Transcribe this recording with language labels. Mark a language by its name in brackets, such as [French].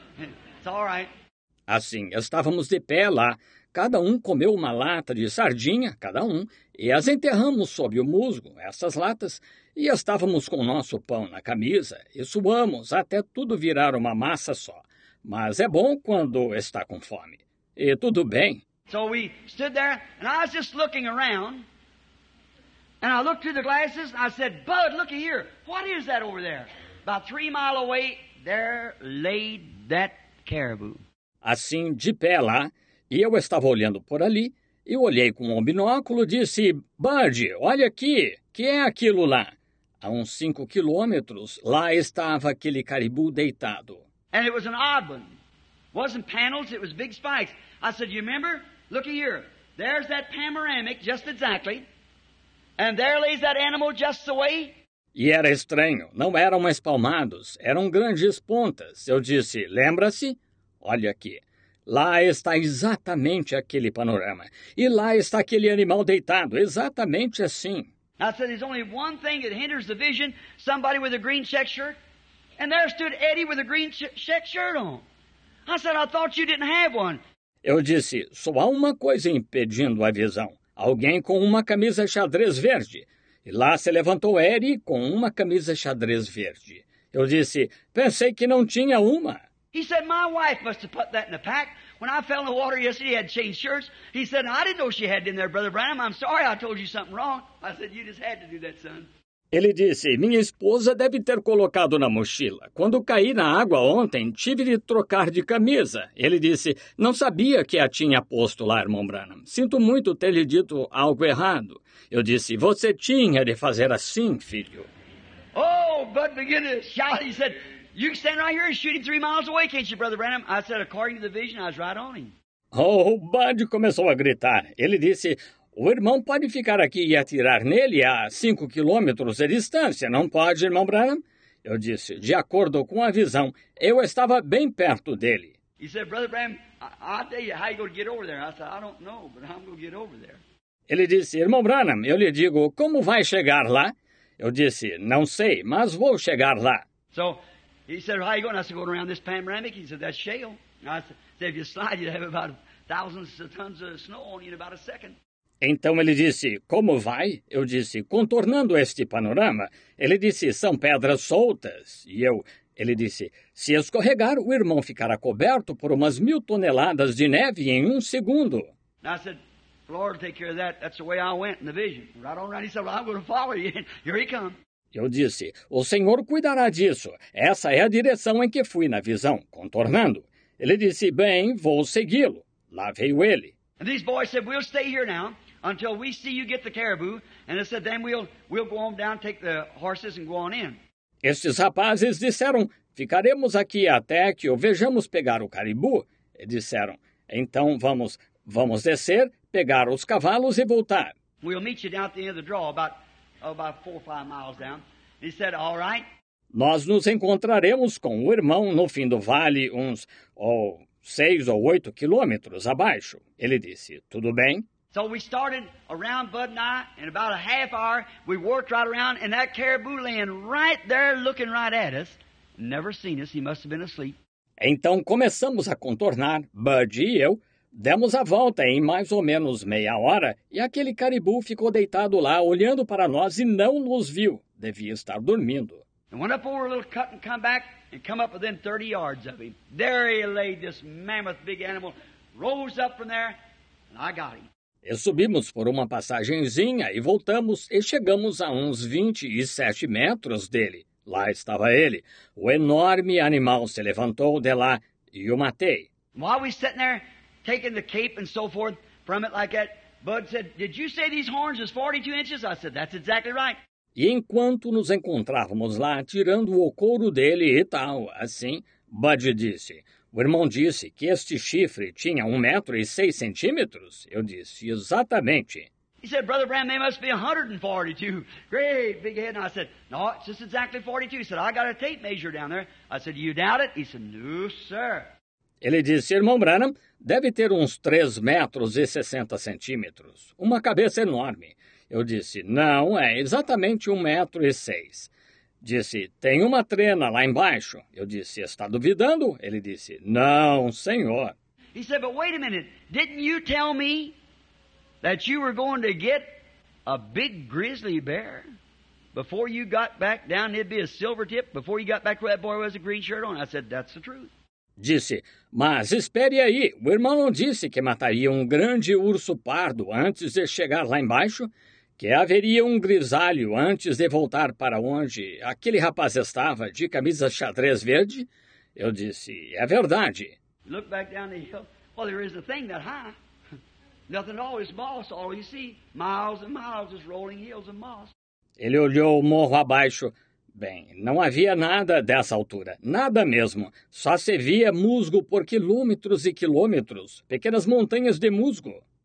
[English] It's all right. [Portuguese] Assim, estávamos de pé lá. Cada um comeu uma lata de sardinha, cada um, e as enterramos sob o musgo, essas latas, e estávamos com o nosso pão na camisa, e suamos até tudo virar uma massa só. Mas é bom quando está com fome. E tudo bem. [English] So we stood there, and I was just looking around, and I looked through the glasses, and I said, Bud, look here, what is that over there? About 3 miles away, there lay that caribou. [Portuguese] Assim, de pé lá, e eu estava olhando por ali, e olhei com um binóculo e disse, Bud, olha aqui, que é aquilo lá? A uns 5 quilômetros, lá estava aquele caribu deitado. [English] And it was an odd one. Wasn't panels, it was big spikes. I said, you remember? Look here. There's that panoramic, just exactly. And there lays that animal just the way. [Portuguese] E era estranho. Não eram espalmados, eram grandes pontas. Eu disse, lembra-se? Olha aqui. Lá está exatamente aquele panorama. E lá está aquele animal deitado, exatamente assim. [English] I said, there's only one thing that hinders the vision. Somebody with a green check shirt. And there stood Eddie with a green check shirt on. I said, I thought you didn't have one. [Portuguese] Eu disse, só há uma coisa impedindo a visão. Alguém com uma camisa xadrez verde. E lá se levantou Eddie com uma camisa xadrez verde. Eu disse, pensei que não tinha uma. [English] He said, my wife must have put that in the pack. When I fell in the water yesterday, I had changed shirts. He said, I didn't know she had it in there, Brother Branham. I'm sorry I told you something wrong. I said, you just had to do that, son. [Portuguese] Ele disse, minha esposa deve ter colocado na mochila. Quando caí na água ontem, tive de trocar de camisa. Ele disse, não sabia que a tinha posto lá, irmão Branham. Sinto muito ter lhe dito algo errado. Eu disse, você tinha de fazer assim, filho. [English] Oh, Bud began to shout. He said, you can stand right here and shoot him 3 miles away, can't you, Brother Branham? I said, according to the vision, I was right on him. [Portuguese] Oh, Bud começou a gritar. Ele disse, o irmão pode ficar aqui e atirar nele a 5 quilômetros de distância, não pode, irmão Branham? Eu disse, de acordo com a visão, eu estava bem perto dele. [English] He said, Brother Branham, I'll tell you how you're going to get over there. I said, I don't know, but I'm going to get over there. [Portuguese] Ele disse, irmão Branham, eu lhe digo, como vai chegar lá? Eu disse, não sei, mas vou chegar lá. [English] So, he said, how you going? I said, going around this panoramic. He said, that's shale. I said, if you slide, you'd have about thousands of tons of snow on you in about a second. [Portuguese] Então ele disse, como vai? Eu disse, contornando este panorama. Ele disse, são pedras soltas. E eu, ele disse, se escorregar, o irmão ficará coberto por umas 1000 toneladas de neve em 1 segundo. [English] I said, Lord, take care of that. That's the way I went in the vision. Right on, right. He said, well, I'm going to follow you. Here he comes. [Portuguese] Eu disse, o Senhor cuidará disso. Essa é a direção em que fui na visão, contornando. Ele disse, bem, vou segui-lo. Lá veio ele. [English] And these boys said, we'll stay here now until we see you get the caribou. And I said, then we'll go on down, take the horses and go on in. [Portuguese] Estes rapazes disseram, ficaremos aqui até que o vejamos pegar o caribou. E disseram, então vamos descer, pegar os cavalos e voltar. [English] We'll meet you down at the end of the draw, about 4 or 5 miles down. He said, all right. [Portuguese] Nós nos encontraremos com o irmão no fim do vale, uns 6 [English] or [Portuguese] 8 quilômetros abaixo. Ele disse, tudo bem. [English] So we started around Bud and I, and about a half hour, we worked right around, and that caribou laying right there looking right at us. Never seen us, he must have been asleep. [Portuguese] Então começamos a contornar, Bud e eu. Demos a volta em mais ou menos meia hora, e aquele caribou ficou deitado lá, olhando para nós e não nos viu. Devia estar dormindo. [English] And went up over a little cut and come back, and come up within 30 yards of him. There he lay, this mammoth big animal. Rose up from there, and I got him. [Portuguese] E subimos por uma passagenzinha e voltamos e chegamos a uns 27 metros dele. Lá estava ele. O enorme animal se levantou de lá e o matei. [English] While we sitting there, taking the cape and so forth from it like that, Bud said, did you say these horns is 42 inches? I said, that's exactly right. [Portuguese] E enquanto nos encontrávamos lá, tirando o couro dele e tal, assim, Bud disse, O irmão disse que este chifre tinha 1,06 metros. Eu disse, exatamente. [English] He said, Brother Bram, they must be 142. Great, big head. And I said, no, it's just exactly 42. He said, I got a tape measure down there. I said, you doubt it? He said, no, sir. [Portuguese] Ele disse, irmão Branham, deve ter uns 3,60 metros. Uma cabeça enorme. Eu disse, não, é exatamente 1,06 metros. Disse, tem uma trena lá embaixo. Eu disse, está duvidando? Ele disse, não, senhor. [English] He said, but wait a minute, didn't you tell me that you were going to get a big grizzly bear before you got back down, it'd be a silver tip, before you got back where that boy was a green shirt on? I said, that's the truth. [Portuguese] Disse, mas espere aí, o irmão não disse que mataria um grande urso pardo antes de chegar lá embaixo? Que haveria um grisalho antes de voltar para onde aquele rapaz estava de camisa xadrez verde? Eu disse, é verdade. [English] Look back down the hill. Well, there isn't a thing that high. Nothing at all, it's moss all you see. Miles and miles, it's rolling hills and moss. [Portuguese] Ele olhou o morro abaixo. Bem, não havia nada dessa altura, nada mesmo. Só se via musgo por quilômetros e quilômetros, pequenas montanhas de musgo.